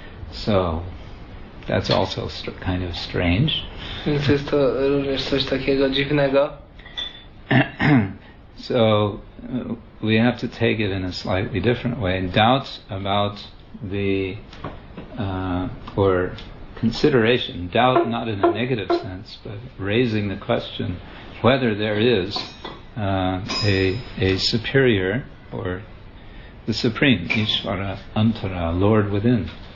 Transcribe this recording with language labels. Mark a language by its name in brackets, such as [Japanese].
[English] So that's also kind of strange. [Polish] Więc jest to również coś takiego dziwnego. [English] So we have to take it in a slightly different way. Doubts about the or consideration, doubt not in a negative sense, but raising the question whether there is a superior or the supreme, Ishvara Antara, Lord within.